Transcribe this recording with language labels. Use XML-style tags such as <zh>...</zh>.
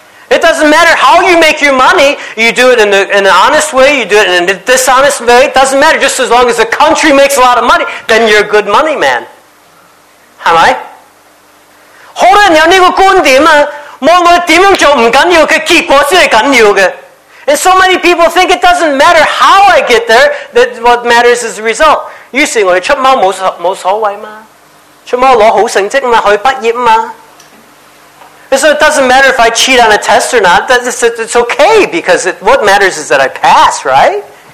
<en>It doesn't matter how you make your money, you do it in an honest way, you do it in a dishonest way, it doesn't matter, just as long as the country makes a lot of money, then you're a good money man. Am I?</en> <zh>好多人有这个观点啊,无论我怎样做不重要的,结果才是重要的。</zh> <en>And so many people think it doesn't matter how I get there, that what matters is the result.</en> <zh>于是我们出猫没所谓嘛,出猫拿好成绩嘛,去毕业嘛。</zh> <en>So it doesn't matter if I cheat on a test or not. It's okay because what matters is that I pass, right?</en>